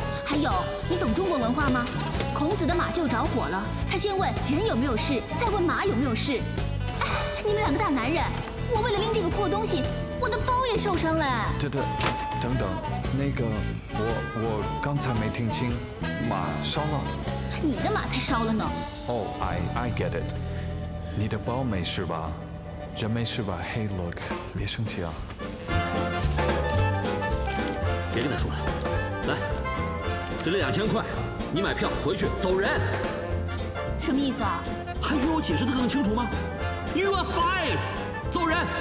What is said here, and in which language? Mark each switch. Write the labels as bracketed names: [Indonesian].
[Chinese] 还有，你懂中国文化吗？孔子的马厩着火了，他先问人有没有事，再问马有没有事。哎，你们两个大男人，我为了拎这个破东西，我的包也受伤了。等等，那个我刚才没听清，马烧了？你的马才烧了呢。 [English] Oh, I get it. [Chinese] 你的包没事吧？人没事吧？黑 [English] look， [Chinese] 别生气啊。别跟他说了，来，给了2000块，你买票回去走人。什么意思啊？还需要我解释得更清楚吗 ？ [English] You are fired， [Chinese] 走人。